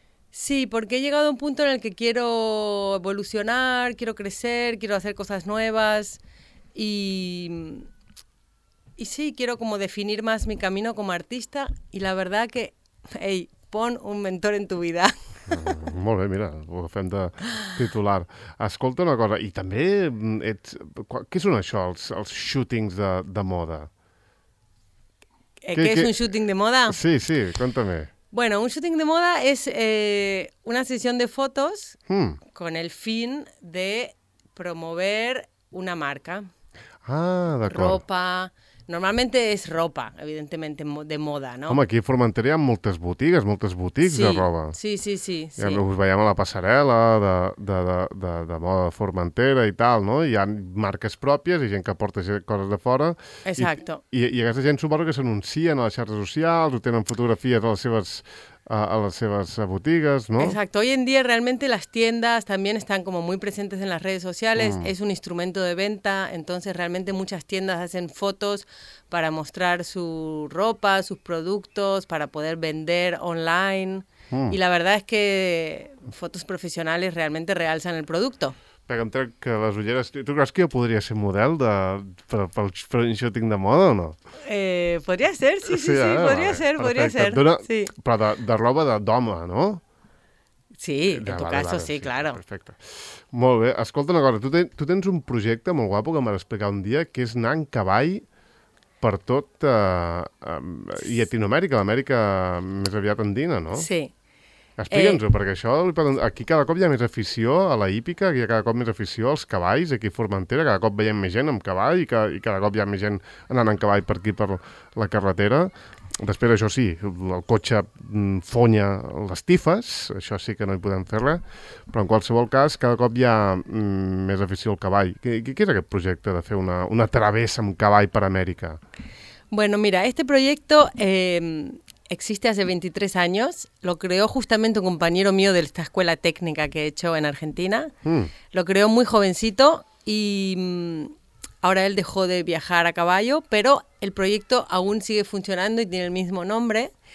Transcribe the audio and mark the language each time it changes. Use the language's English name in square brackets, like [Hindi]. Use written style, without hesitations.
[Spanish] Sí, porque he llegado a un punto en el que quiero evolucionar, quiero crecer, quiero hacer cosas nuevas, y... Y sí, quiero como definir más mi camino como artista y la verdad que, hey, pon un mentor en tu vida. [Catalan] Molt bé, mira, ho fem de titular. Escolta una cosa, i també, ets, què són això, els shootings de moda? [Spanish] ¿Qué es un shooting de moda? Sí, sí, cuéntame. Bueno, un shooting de moda es una sesión de fotos con el fin de promover una marca. [Catalan] Ah, d'acord. [Spanish] Ropa. Normalmente es ropa, evidentemente, de moda, ¿no? [Catalan] Home, aquí a Formentera hi ha moltes botigues sí, de roba. Sí, sí, sí. I ara us veiem a la passarel·la de moda de Formentera i tal, no? Hi ha marques pròpies i gent que porta coses de fora. [Spanish] Exacto. [Catalan] I aquesta gent suposo que s'anuncien a les xarxes socials o tenen fotografies a les seves... [Spanish] a las sebas botigas, ¿no? Exacto. Hoy en día realmente las tiendas también están como muy presentes en las redes sociales. Mm. Es un instrumento de venta. Entonces realmente muchas tiendas hacen fotos para mostrar su ropa, sus productos, para poder vender online. Mm. Y la verdad es que fotos profesionales realmente realzan el producto. [Catalan] Perquè em trec que les ulleres... Tu creus que jo podria ser model per un shooting de moda o no? Podria ser, sí, sí, sí, sí, ah, sí, podria ser, podria ser. D'una, sí. Però de roba d'home, no? Sí, ja, en tu cas, sí, claro. Perfecte. Molt bé, escolta una cosa, tu tens un projecte molt guapo que m'has explicat un dia, que és anar en cavall per tot Llatinoamèrica, l'Amèrica més aviat andina, no? Sí. Explica'ns-ho, perquè això, aquí cada cop hi ha més afició a la hípica, aquí hi ha cada cop més afició als cavalls, aquí a Formentera, cada cop veiem més gent amb cavall i cada cop hi ha més gent anant en cavall per aquí, per la carretera. Després, això sí, el cotxe fonya les tifes, això sí que no hi podem fer res, però en qualsevol cas, cada cop hi ha més afició al cavall. Què és aquest projecte de fer una travessa amb cavall per Amèrica? [Spanish] Bueno, mira, este proyecto... Existe hace 23 años, lo creó justamente un compañero mío de esta escuela técnica que he hecho en Argentina. Mm. Lo creó muy jovencito y ahora él dejó de viajar a caballo, pero el proyecto aún sigue funcionando y tiene el mismo nombre.